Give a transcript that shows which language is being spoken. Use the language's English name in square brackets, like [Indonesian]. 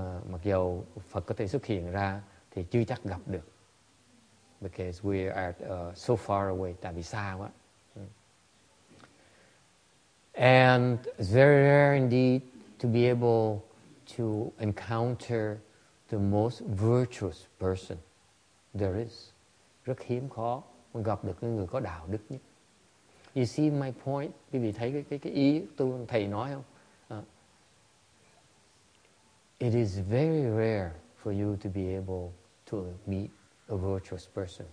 [Vietnamese] Mặc dù Phật có thể xuất hiện ra, thì chưa chắc gặp được. [English] Because we are so far away, [Vietnamese] tại vì xa quá. [English] And it's very rare indeed to be able to encounter the most virtuous person there is. [Vietnamese] Rất hiếm khó mình gặp được người có đạo đức nhất. [English] You see my point? [Vietnamese] Quý vị thấy cái ý tôi thầy nói không? [English] It is very rare for you to be able to meet a virtuous person.